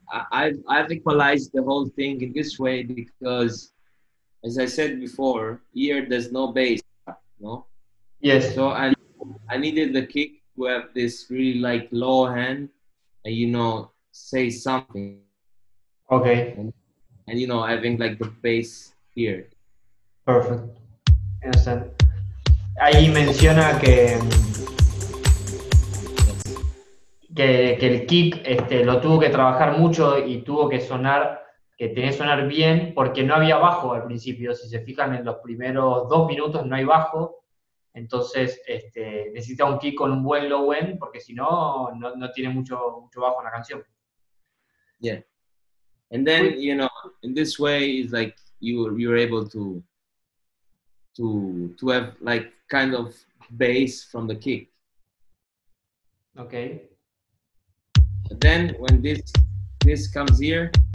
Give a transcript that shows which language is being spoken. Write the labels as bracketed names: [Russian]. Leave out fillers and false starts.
[English] I've equalized the whole thing in this way because, as I said before, here there's no bass. No. Yes. So I needed the kick to have this really like low hand, and you know, say something. Okay. And you know, having like the bass here. Perfect. Understand. [Spanish] Ahí menciona que el kick lo tuvo que trabajar mucho y tuvo que sonar. Que tenía que sonar bien porque no había bajo al principio. Si se fijan en los primeros dos minutos, no hay bajo. Entonces, necesita un kick con un buen low end porque si no, no tiene mucho bajo en la canción. [English] Yeah. And then, you know, in this way, it's like you're able to have like kind of bass from the kick. Okay. But then, when this comes here.